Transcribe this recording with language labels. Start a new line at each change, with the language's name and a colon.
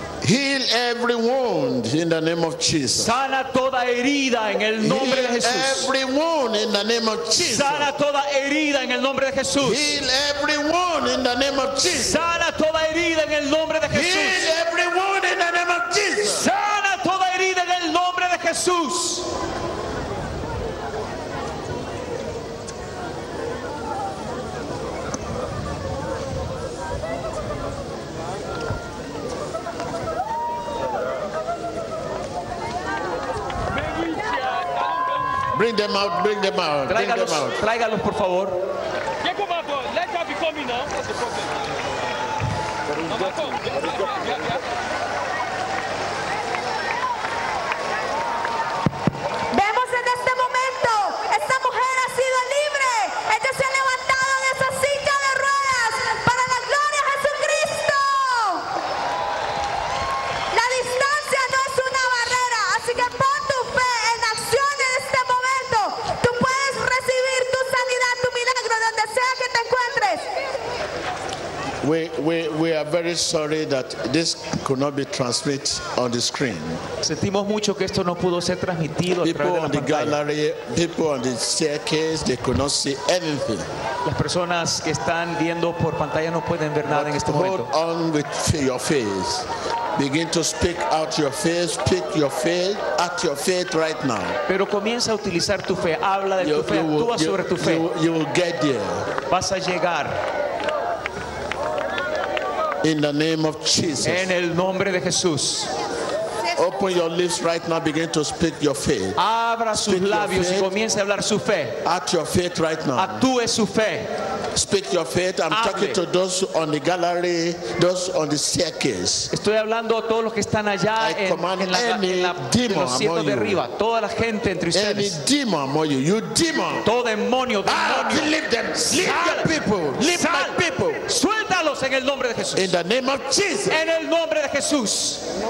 English: Heal every wound in the name of Jesus.
Spanish: Sana toda herida en el nombre
English: Heal
Spanish: de Jesús.
English: Every wound in the name of Jesus.
Spanish: Sana toda herida en el nombre de Jesús.
English: Heal every wound in the name of Jesus.
Spanish: Sana toda herida en el nombre de Jesús.
English: Heal every wound in the name of Jesus.
Spanish: Sana toda herida en el nombre de Jesús.
English: Bring them out, bring them out, bring them out.
Spanish: Tráigalos, por favor. Vemos en este momento, esta mujer ha sido libre. Ella se ha levantado de esa silla de ruedas para la gloria de Jesucristo. La distancia no es una barrera, así que pon tu fe en acción en este momento. Tú puedes recibir tu sanidad, tu milagro, donde sea que te encuentres.
English: We are very sorry that this could not be transmitted on the screen.
Spanish: Sentimos mucho que esto no pudo ser transmitido a través de la pantalla.
English: People on the gallery, people on the staircase, they could not see anything.
Spanish: Las personas que están viendo por pantalla no pueden ver nada en este momento.
English: Hold on with your faith. Begin to speak out your faith. Speak your faith. Act your faith right now.
Spanish: Pero comienza a utilizar tu fe. Habla de tu fe. Actúa sobre tu fe.
English: You will get there.
Spanish: Vas a llegar.
English: In the name of Jesus.
Spanish: En el nombre de Jesús.
English: Open your lips right now. Begin to speak your faith.
Spanish: Abra sus
English: speak
Spanish: labios y comience a hablar su fe.
English: Act your faith right now.
Spanish: Actúe su fe.
English: Speak your faith. I'm
Spanish: Hable.
English: Talking to those on the gallery, those on the staircase.
Spanish: Estoy hablando a todos los que están allá en la demon de arriba. Toda la gente entre ustedes.
English: Any demon among you? You demon.
Spanish: Todo demonio. Demonio.
English: Leave them. Leave your people. Leave my people.
Spanish: Suéltalos en el nombre de Jesús.
English: In the name of Jesus.
Spanish: En el nombre de Jesús.